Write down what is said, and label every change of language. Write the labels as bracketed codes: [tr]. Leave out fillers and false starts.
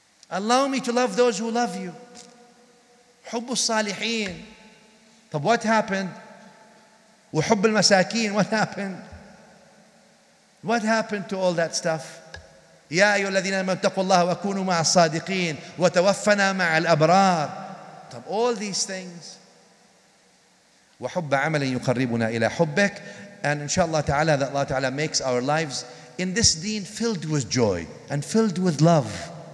[en] Allow me to love those who love you. [ar] حب الصالحين. طب [en] what happened? [ar] وحب المساكين. [en] What happened? What happened to all that stuff? [ar] يا أيها الذين آمنوا اتقوا الله وكونوا مع الصادقين وتوفنا مع الأبرار. طب [en] all these things. [ar] وحب عمل يقربنا إلى حبك. [en] And inshallah ta'ala, that Allah ta'ala makes our lives in this deen filled with joy and filled with love.